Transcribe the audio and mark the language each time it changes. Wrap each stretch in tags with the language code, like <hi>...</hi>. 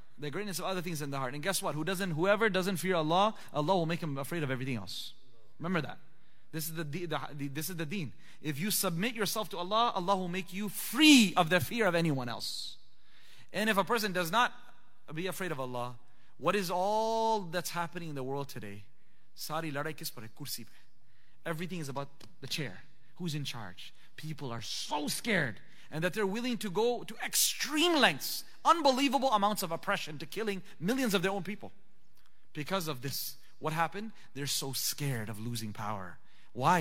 <en>The greatness of other things in the heart. And guess what? Whoever doesn't fear Allah, Allah will make him afraid of everything else. Remember that. This is the deen. If you submit yourself to Allah, Allah will make you free of the fear of anyone else. And if a person does not be afraid of Allah, what is all that's happening in the world today?</en> <ur>ساری لڑائی کس پر ہے? کرسی پے.</ur> <en>Everything is about the chair. Who's in charge? People are so scared. And that they're willing to go to extreme lengths, unbelievable amounts of oppression, to killing millions of their own people. Because of this, what happened? They're so scared of losing power. Why?</en>